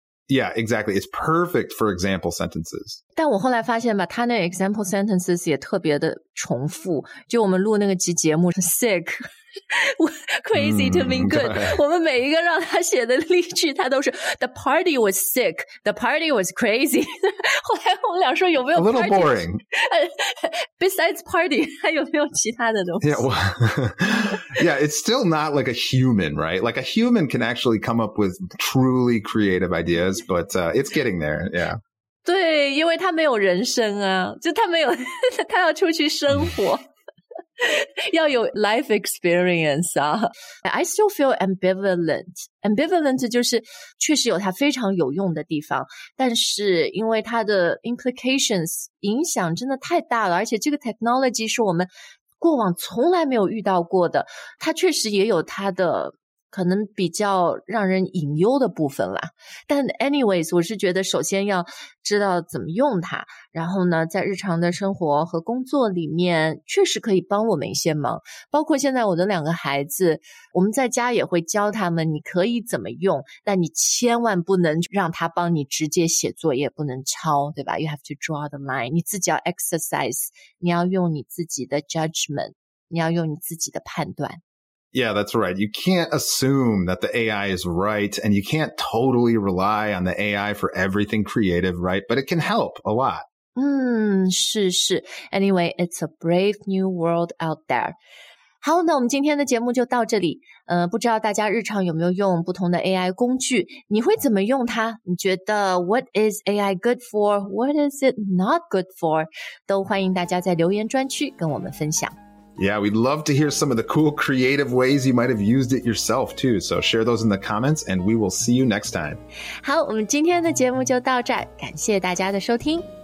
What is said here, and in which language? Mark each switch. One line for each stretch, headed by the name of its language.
English: Yeah, exactly. It's perfect for example sentences.
Chinese: 但我后来发现吧他那
English: example sentences
Chinese: 也特别的重复就我们录那个集节目 sick
English: crazy to mean good.
Chinese: 我们每一个让他写的例句他都是
English: The party was sick. The party was crazy.
Chinese: 后来我们俩说有没有
English: A little boring. Besides party,
Chinese: 还有没有其他的东西
English: yeah, well, yeah, it's still not like a human, right? Like a human can actually come up with truly creative ideas, but it's getting there, yeah.
Chinese: 对，因为他没有人生啊，就他没有，他要出去生活，要有 life experience 啊。
English: I still feel ambivalent.
Chinese: Ambivalent 就是确实有它非常有用的地方，但是因为它的 implications 影响真的太大了，而且这个 technology 是我们过往从来没有遇到过的，它确实也有它的可能比较让人隐忧的部分啦。但 anyways, 我是觉得首先要知道怎么用它，然后呢在日常的生活和工作里面确实可以帮我们一些忙。包括现在我的两个孩子，我们在家也会教他们你可以怎么用，但你千万不能让他帮你直接写作业，不能抄，对吧？
English: You have to draw the line,
Chinese: 你自己要 exercise, 你要用你自己的 judgment, 你要用你自己的判断。
English: Yeah, that's right. You can't assume that the AI is right, and you can't totally rely on the AI for everything creative, right? But it can help a lot.
Chinese: 是是。
English: Anyway, it's a brave new world out there.
Chinese: 好，那我们今天的节目就到这里。不知道大家日常有没有用不同的 AI 工具？你会怎么用它？你觉得
English: what is AI good for? What is it not good for?
Chinese: 都欢迎大家在留言专区跟我们分享。
English: Yeah, we'd love to hear some of the cool creative ways you might have used it yourself too. So share those in the comments and we will see you next time.
Chinese: 好，我们今天的节目就到这儿，感谢大家的收听。